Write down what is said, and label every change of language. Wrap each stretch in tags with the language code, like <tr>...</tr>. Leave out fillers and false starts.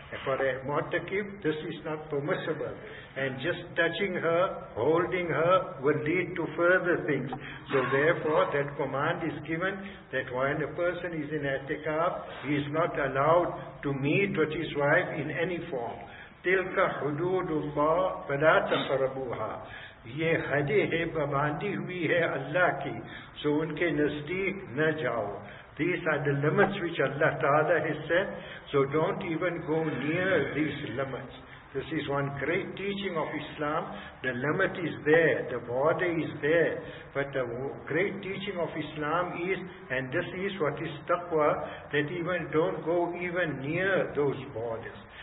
<en>For a mu'takif, this is not permissible. And just touching her, holding her, will lead to further things. So therefore, that command is given that when a person is in i'tikaf, he is not allowed to meet with his wife in any form.</en> <ar>تِلْكَ حُدُودُ اللَّهِ فَلَا تَقْرَبُوهَا.</ar> <ur>یہ حدیں باندھی ہوئی ہے اللہ کی, سو ان کے نزدیک نہ جاؤ.</ur> <en>These are the limits which Allah Ta'ala has set, so don't even go near these limits. This is one great teaching of Islam. The limit is there, the border is there, but the great teaching of Islam is, and this is what is taqwa, that even don't go even near those borders.</en>